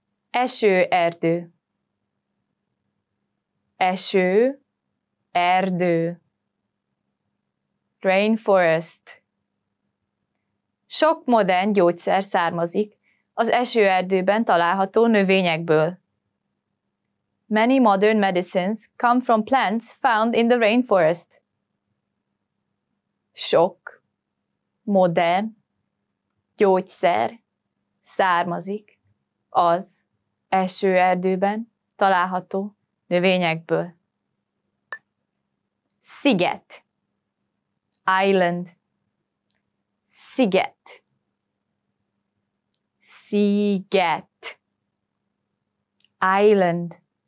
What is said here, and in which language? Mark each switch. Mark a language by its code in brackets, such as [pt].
[hu] Esőerdő. Esőerdő. [en] Rainforest. [hu] Sok modern gyógyszer származik az esőerdőben található növényekből. [en] Many modern medicines come from plants found in the rainforest. [hu] sok, modern, gyógyszer, származik, az, esőerdőben, található, növényekből. Sziget, island, sziget, sziget, island.